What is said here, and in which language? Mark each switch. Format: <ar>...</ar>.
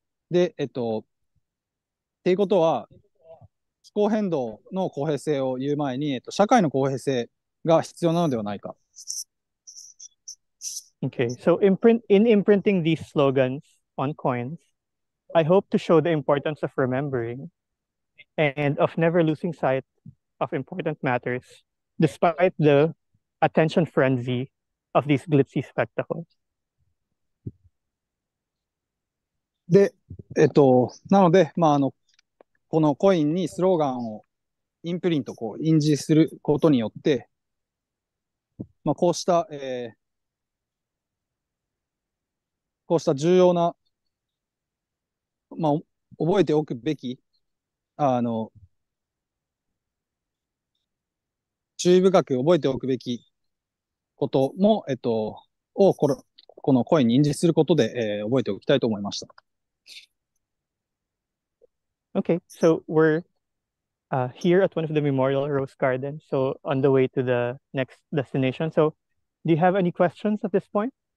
<ja>で、っていうことは、気候変動の公平性を言う前に、社会の公平性が必要なのではないか。</ja> <en>Okay, so in imprinting these slogans on coins, I hope to show the importance of remembering and of never losing sight of important matters, despite the attention frenzy of these glitzy spectacles.</en> <ja>で、なので、まあ、このコインにスローガンをインプリント、こう、印字することによって、まあ、こうした、こうした重要な、まあ、覚えておくべき、注意深く覚えておくべきことも、をこのコインに印字することで、覚えておきたいと思いました。</ja> <en>Okay, so we're here at one of the Memorial Rose Gardens, so on the way to the next destination. So, do you have any questions at this point?</en>